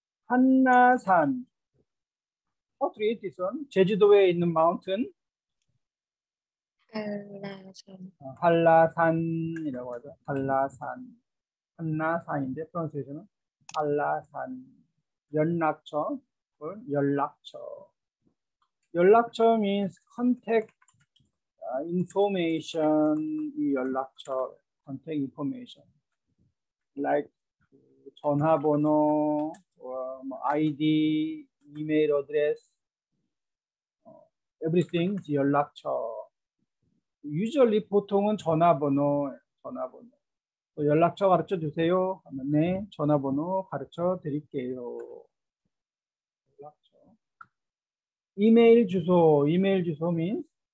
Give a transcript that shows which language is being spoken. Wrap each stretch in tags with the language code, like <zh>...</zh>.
<en>한라산. What is it?</en> <ko>제주도에 있는 마운틴. 한라산. 한라산이라고 하죠. 한라산. 한라산인데 프랑스에서는 한라산. 연락처. 연락처.</ko> <en>연락처 means contact information. 이 연락처 contact information. Like 전화번호, ID, email address, everything 연락처.</en> <ko>Usually 보통은 전화번호, 전화번호. 연락처 가르쳐 주세요. 네, 전화번호 가르쳐 드릴게요. 연락처. 이메일 주소, 이메일 주소 means?</ko>